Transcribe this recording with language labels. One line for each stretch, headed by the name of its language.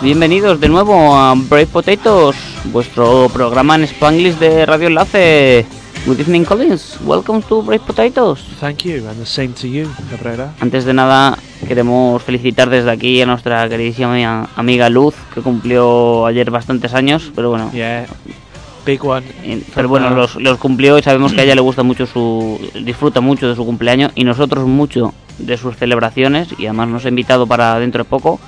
Spanish: Bienvenidos de nuevo a Brave Potatoes, vuestro programa en Spanglish de Radio Enlace.
English: Good evening, Collins. Welcome to Brave Potatoes. Thank you, and the same to you, Cabrera.
Spanish: Antes de nada, queremos felicitar desde aquí a nuestra queridísima amiga Luz, que cumplió ayer bastantes años, pero bueno.
English: Yeah, big one.
Spanish: Pero bueno, los cumplió y sabemos que a ella le gusta mucho su... disfruta mucho de su cumpleaños y nosotros mucho de sus celebraciones, y además nos ha invitado para dentro de poco.